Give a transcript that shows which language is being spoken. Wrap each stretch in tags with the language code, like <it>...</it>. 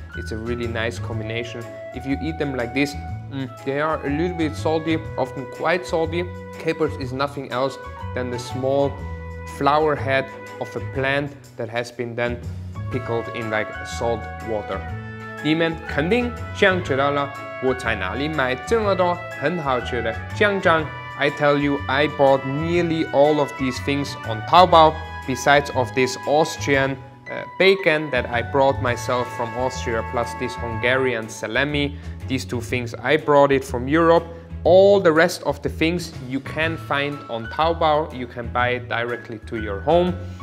<en>It's a really nice combination. If you eat them like this, they are a little bit salty, often quite salty. Capers is nothing else than the small flower head of a plant that has been then pickled in like salt water.</en> <zh>你们肯定想知道了，我在哪里买这么多很好吃的香肠。</zh> <en>I tell you, I bought nearly all of these things on Taobao, besides of this Austrian bacon that I brought myself from Austria, plus this Hungarian salami. These two things I brought it from Europe. All the rest of the things you can find on Taobao, you can buy it directly to your home.</en>